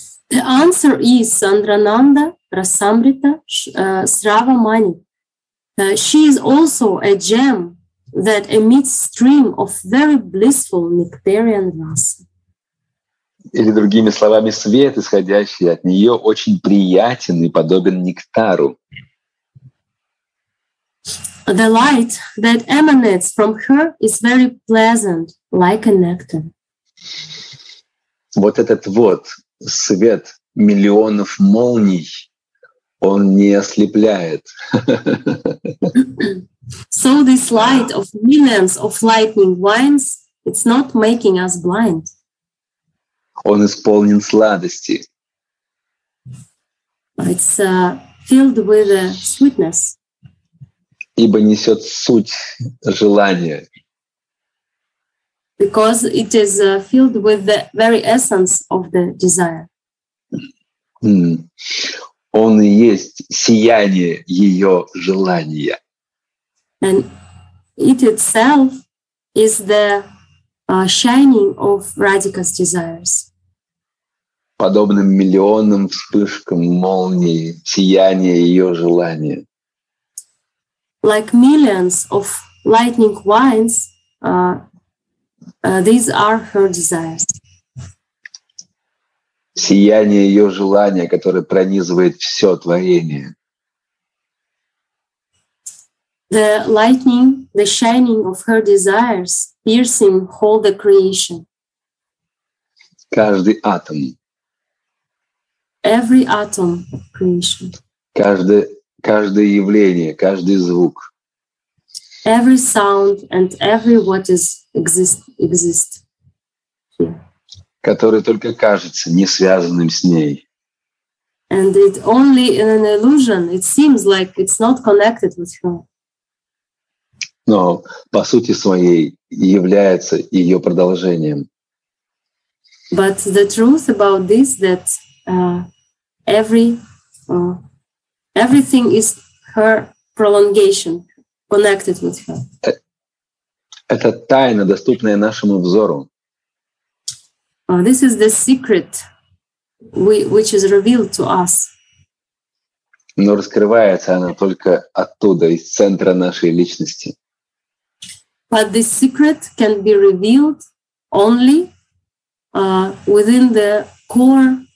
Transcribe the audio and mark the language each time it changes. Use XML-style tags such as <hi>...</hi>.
<en>The answer is Sandrananda Rasamrita Sravamani. She is also a gem that emits stream of very blissful nectarian rasa.</en> <ru>Или другими словами, свет, исходящий от нее, очень приятен и подобен нектару.</ru> <en>The light that emanates from her is very pleasant, like a nectar.</en> <ru>Вот этот вот свет миллионов молний, он не ослепляет.</ru> <en>So this light of millions of lightning wines, it's not making us blind.</en> <ru>Он исполнен сладости.</ru> <en>It's filled with a sweetness.</en> <ru>Ибо несет суть желания.</ru> <en>Because it is filled with the very essence of the desire.</en> <ru>Он и есть сияние ее желания.</ru> <en>And it itself is the shining of Radhika's desires.</en> <ru>Подобным миллионам вспышкам молнии сияние ее желания.</ru> <en>Like millions of lightning wines, these are her desires.</en> <ru>Сияние ее желания, которое пронизывает все творение.</ru> <en>The lightning, the shining of her desires, piercing whole the creation.</en> <ru>Каждый атом.</ru> <en>Every atom of creation.</en> <ru>Каждое явление, каждый звук.</ru> <en>Every sound and every what is exist here.</en> <ru>Который только кажется не связанным с ней.</ru> <en>And it only in an illusion, it seems like it's not connected with her.</en> <ru>Но по сути своей является ее продолжением.</ru> <en>But the truth about this that everything is her prolongation, connected with her.</en> <ru>Это тайна, доступная нашему взору.</ru> <en>This is the secret which is revealed to us.</en> <ru>Но раскрывается она только оттуда, из центра нашей личности.</ru> <en>But this secret can be revealed only within the core</en>